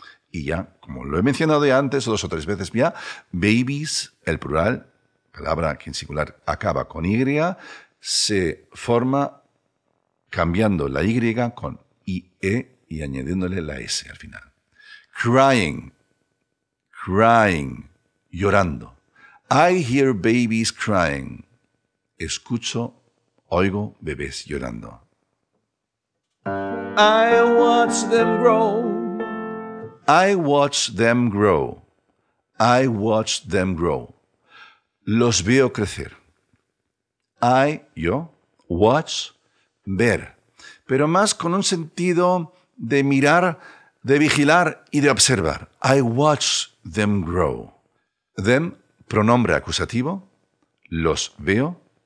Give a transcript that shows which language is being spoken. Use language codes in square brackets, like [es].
[es] Y ya, como lo he mencionado ya antes, dos o tres veces ya, babies, el plural, palabra que en singular acaba con Y, se forma cambiando la Y con IE y añadiéndole la S al final. [en] Crying, crying, llorando. I hear babies crying. Escucho, oigo bebés llorando. I watch them grow. I watch them grow. I watch them grow. Los veo crecer. [es] I, yo, watch, ver, pero más con un sentido de mirar, de vigilar y de observar. [en] I watch them grow. Them, pronombre acusativo, los veo.